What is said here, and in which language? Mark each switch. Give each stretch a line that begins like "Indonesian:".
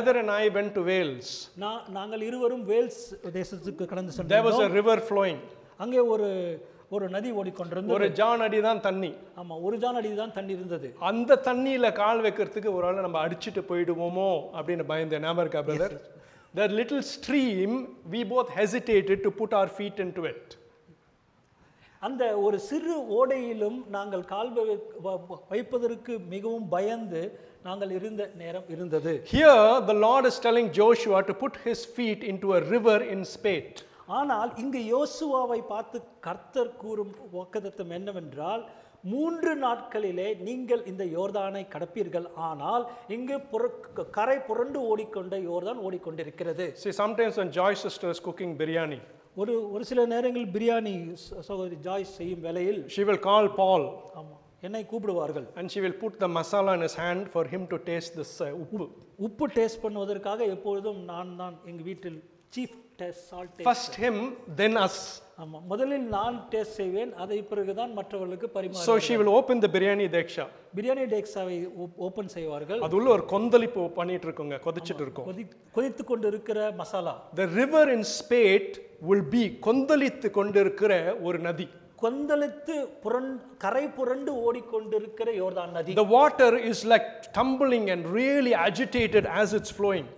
English: Brother and I went to Wales.
Tamil: நாங்கள் இருவரும் Wales தேசத்துக்கு கடந்து சென்றோம்.
English: There was a river flowing.
Tamil: அங்கே ஒரு நதி ஓடிக்கொண்டிருந்தது. ஒரு ஜான் அடி தான் தண்ணி. ஆமா, ஒரு ஜான் அடி தான் தண்ணி இருந்தது. அந்த தண்ணியில கால் வைக்கிறதுக்கு ஒரு ஆள் நம்ம அடிச்சுட்டு போயிடுவோமோ அப்படின்னு பயந்து நாம இருக்கா brother?
English: That little stream, we both hesitated to put our feet into it.
Tamil: அந்த ஒரு சிறு ஓடையிலும் நாங்கள் கால் வைப்பதற்கு மிகவும் பயந்து நாங்கள் இருந்த நேரம் இருந்தது.
English: Here the Lord is telling Joshua to put his feet into a river in spate.
Tamil: ஆனால் இங்கு யோசுவாவை பார்த்து கர்த்தர் கூறும் வாக்குத்தத்தம் என்னவென்றால், 3 நாட்களிலே நீங்கள் இந்த யோர்தானை கடப்பீர்கள், ஆனால் இங்கு கரை புரண்டு ஓடிக்கொண்ட யோர்தான் ஓடிக்கொண்டிருக்கிறது.
English: See, sometimes when Joy sister is cooking biryani.
Tamil: ஒரு சில நேரங்களில் பிரியாணி சகோதரி ஜாய் செய்யும் வேளையில்
English: she will call Paul.
Tamil: ஆமா, என்னை கூப்பிடுவார்கள்.
English: And she will put the masala in his hand for him to taste this
Tamil: உப்பு. உப்பு டேஸ்ட் பண்ணுவதற்காக எப்பொழுதும் நான் தான் எங்கள் வீட்டில்
English: chief test salt. First him, then us.
Tamil: முதலில் நான் டேஸ்ட் செய்வேன், அதை பிறகுதான் மற்றவர்களுக்கு பரிமாறுவேன்.
English: So she will open the biryani deksha.
Tamil: Biryani டேக்ஸாவை open செய்வார்கள். அதுள்ள ஒரு கொந்தளிப்பு பண்ணிட்டு இருக்கோங்க, கொதிச்சிட்டு இருக்கோம். கொதித்து கொண்டிருக்கிற masala.
English: The river in spate will be
Tamil: கொந்தளித்து கொண்டிருக்கிற ஒரு நதி. கொந்தளித்து கரை புரண்டு ஓடிக்கொண்டிருக்கிற யோர்தான் நதி.
English: The water is like tumbling and really agitated as it's flowing.